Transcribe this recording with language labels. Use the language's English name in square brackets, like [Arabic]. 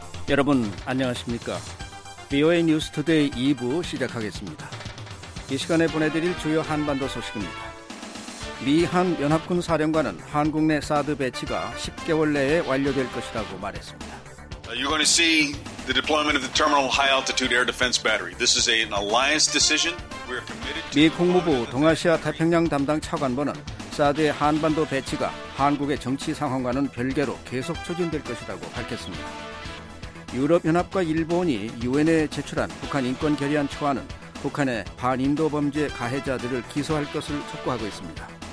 [Korean] 여러분 안녕하십니까? VOA News Today 2부 시작하겠습니다. 이 시간에 보내드릴 주요 한반도 소식입니다. 미한 연합군 사령관은 한국 내 사드 배치가 10개월 내에 완료될 것이라고 말했습니다. [English] You're going to see the deployment of the Terminal High Altitude Air Defense Battery. This is an alliance decision. We're committed to. [Korean] 미 국무부 동아시아 태평양 담당 차관보는 사드의 한반도 배치가 한국의 정치 상황과는 별개로 계속 추진될 것이라고 밝혔습니다. 유럽연합과 일본이 UN에 제출한 북한 인권 결의안 초안은 북한의 반인도 범죄 가해자들을 기소할 것을 촉구하고 있습니다.